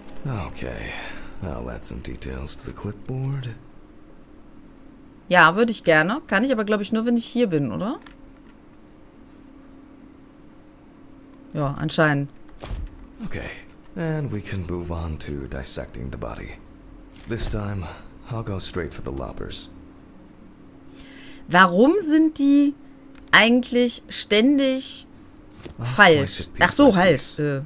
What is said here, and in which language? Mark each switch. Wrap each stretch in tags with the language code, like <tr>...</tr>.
<en>Okay, I'll add some details to the clipboard.</en> <de>Ja, würde ich gerne. Kann ich aber, glaube ich, nur, wenn ich hier bin, oder? Ja, anscheinend.</de> <en>Okay, and we can move on to dissecting the body. This time, I'll go straight for the loppers.</en> <de>Warum sind die eigentlich ständig falsch? Ach so, halt.</de>